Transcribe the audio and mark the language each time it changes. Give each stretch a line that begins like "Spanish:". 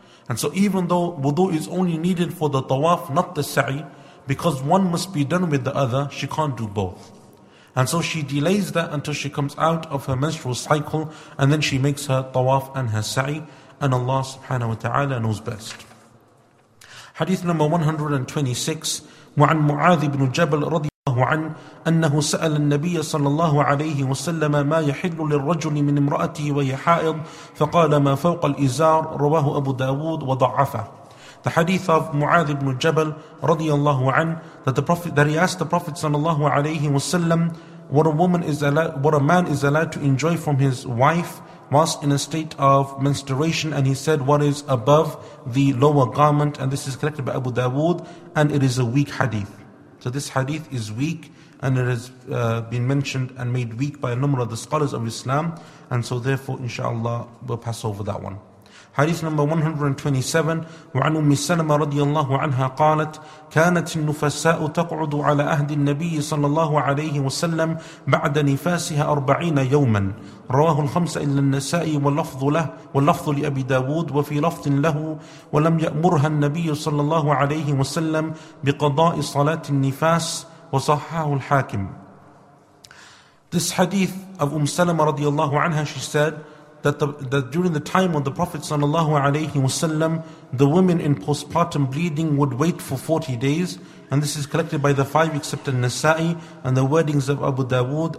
English: And so even though wudu is only needed for the tawaf, not the sa'i, because one must be done with the other, she can't do both. And so she delays that until she comes out of her menstrual cycle, and then she makes her tawaf and her sa'i, and Allah subhanahu wa ta'ala knows best.
Arabic: Hadith number 126, وعن معاذ بن جبل رضي الله عنه أنه سأل النبي صلى الله عليه وسلم ما يحل للرجل من امرأته وهي حائض فقال ما فوق الإزار رواه أبو داود وضعفه.
English: The hadith of Mu'adh ibn Jabal radiyallahu an, that he asked the Prophet sallallahu alayhi wa sallam what a man is allowed to enjoy from his wife whilst in a state of menstruation, and he said what is above the lower garment, and this is collected by Abu Dawood, and it is a weak hadith. So this hadith is weak, and it has been mentioned and made weak by a number of the scholars of Islam, and so therefore inshallah we'll pass over that one.
Arabic: Hadith number 127, وعن أم سلمة رضي الله عنها قالت كانت النفساء تقعد على أهد النبي صلى الله عليه وسلم بعد نفاسها 40 يوما رواه الخمسة إلا النساء واللفظ له واللفظ لأبي داود وفي لفظ له ولم يأمرها النبي صلى الله عليه وسلم بقضاء صلاة النفاس وصححه الحاكم.
English: This hadith of Umm Salama
Arabic: رضي الله عنها,
English: she said that during the time of the Prophet sallallahu alayhi wasallam, the women in postpartum bleeding would wait for 40 days. And this is collected by the five except al-Nasa'i and the wordings of Abu Dawood.